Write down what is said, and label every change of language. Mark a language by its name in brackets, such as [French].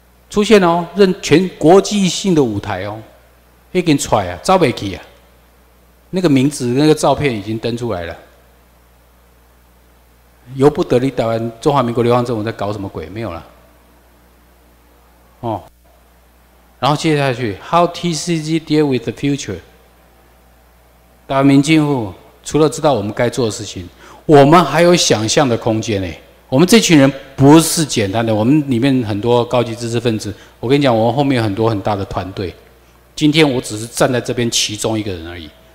[Chinese] 出现哦，任全国际性的舞台哦，已经出来啊，走不去啊。那个名字、那个照片已经登出来了，由不得你台湾中华民国流亡政府在搞什么鬼？没有了。哦，然后接下去 [English] ，How TCG deal with the future？ [Chinese] 台湾民进户除了知道我们该做的事情，我们还有想象的空间呢。我们这群人不是简单的，我们里面很多高级知识分子，我跟你讲，我们后面有很多很大的团队，今天我只是站在这边其中一个人而已。